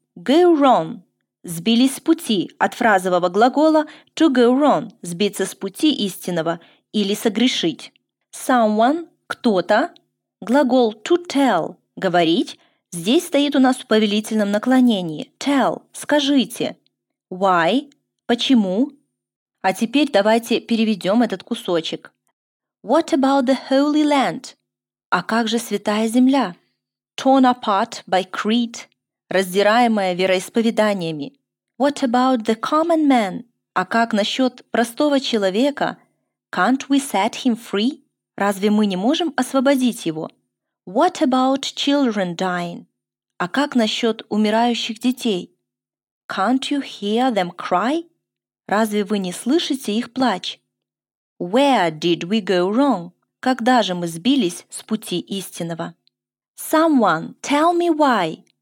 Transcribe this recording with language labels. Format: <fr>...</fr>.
<ru>Go wrong – сбились с пути от фразового глагола to go wrong – сбиться с пути истинного или согрешить. Someone – кто-то. Глагол to tell – говорить. Здесь стоит у нас в повелительном наклонении. Tell – скажите. Why – почему. А теперь давайте переведем этот кусочек.</ru> <en>What about the holy land?</en> <ru>А как же святая земля?</ru> <en>Torn apart by creed –</en> <ru>раздираемая вероисповеданиями.</ru> <en>What about the common man?</en> <ru>А как насчет простого человека?</ru> <en>Can't we set him free?</en> <ru>Разве мы не можем освободить его?</ru> <en>What about children dying?</en> <ru>А как насчет умирающих детей?</ru> <en>Can't you hear them cry?</en> <ru>Разве вы не слышите их плач?</ru> <en>Where did we go wrong?</en> <ru>Когда же мы сбились с пути истинного?</ru> <en>Someone, tell me why.</en>